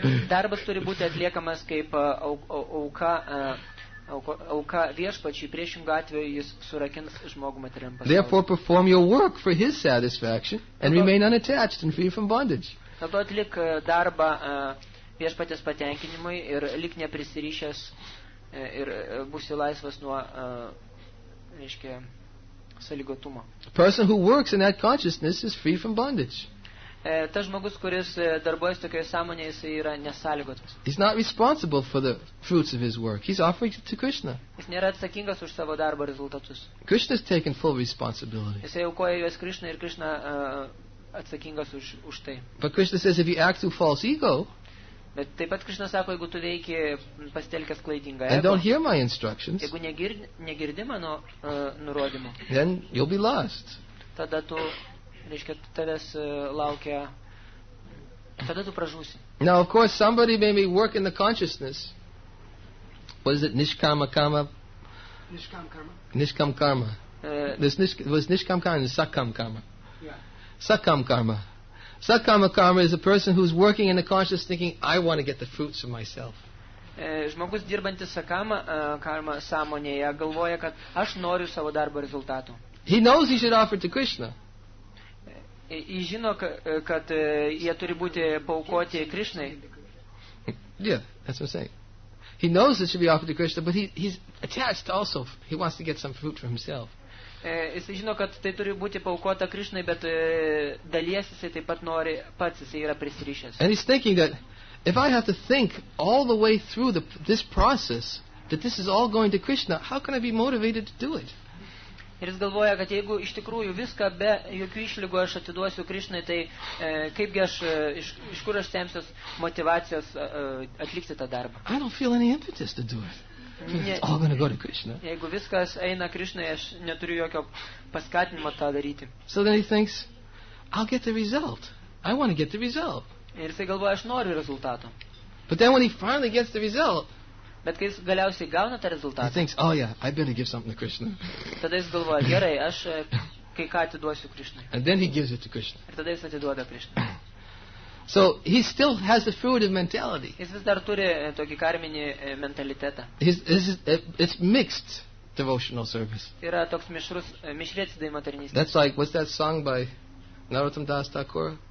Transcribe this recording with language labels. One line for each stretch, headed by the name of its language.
Lithuanian: Darbas turi būti atliekamas kaip auka viešpačiui, priešingu atveju jis surakins žmogų materialiam pasauliu.
English: Therefore perform your work for his satisfaction and remain unattached and free from bondage.
Lithuanian: Tad atlik darbą viešpaties patenkinimui ir lik neprisirišęs ir būsi laisvas nuo reiškia sąlygotumo.
English: The person who works in that consciousness is free from bondage.
Lithuanian: Tas žmogus, kuris darbuojasi tokioje sąmonėje, jis yra nesąlygotas.
English: He's not responsible for the fruits of his work. He's offering it to Krishna.
Lithuanian: Jis nėra atsakingas už savo darbo rezultatus.
English: Krishna's taken full responsibility.
Lithuanian: Jis aukoja juos Krishna ir Krishna atsakingas už tai.
English: But Krishna says if you act through false ego,
Lithuanian: bet taip pat Krishna sako, jeigu tu veiki pasitelkęs klaidingą ego,
English: and don't hear my instructions,
Lithuanian: jeigu negirdi mano nurodymų,
English: then you'll be lost.
Lithuanian: Tada tu reiškia, tavęs laukia, tada tu pražūsi.
English: Now, of course, somebody may be working the consciousness. What is it? Nishkama karma? Nishkam karma. Nishkam karma. Was nishkam karma and sakkam karma. Yeah. Sakkam karma. Sakkam karma is a person who's working in the conscious thinking, I want to get the fruits of myself.
Lithuanian: Žmogus dirbantis sakkam karma sąmonėje galvoja, kad aš noriu savo darbo rezultatų.
English: He knows he should offer to Krishna.
Lithuanian: Jis žino, kad jie turi būti paukoti Krishnai.
English: Yeah, that's what I'm saying. He knows it should be offered to Krishna, but he's attached also. He wants to get some fruit for himself.
Lithuanian: Jis žino, kad tai turi būti paukota Krishnai, bet dalies jisai taip pat nori pats, jisai yra prisirišęs.
English: And he's thinking that if I have to think all the way through this process that this is all going to Krishna, how can I be motivated to do it?
Lithuanian: Ir jis galvoja, kad jeigu iš tikrųjų viską be jokių išlygų aš atiduosiu Krišnai, tai kaipgi aš iš kur aš semsiu motivacijos atlikti tą darbą.
English: I don't feel any impetus to do it. It's all going to go to Krishna.
Lithuanian: Jeigu viskas eina Krišnai, aš neturiu jokio paskatinimo tą daryti.
English: So then he thinks, I'll get the result. I want to get the result.
Lithuanian: Ir jisai galvoja, aš noriu rezultato.
English: But then when he finally gets the result,
Lithuanian: bet kai jis galiausiai gauna tą rezultatą,
English: he thinks, oh yeah, I better give something to Krishna.
Lithuanian: Tada jis galvoja, gerai, aš kai ką atiduosiu Krishnai.
English: And then he gives it to Krishna.
Lithuanian: Ir tada jis atiduoda Krishna.
English: So he still has the fruitive mentality.
Lithuanian: Jis vis dar turi tokį karminį mentalitetą.
English: It's mixed devotional service.
Lithuanian: Yra toks mišrėtis dėjimo tarnystės.
English: That's like, what's that song by Narottam Das Thakur?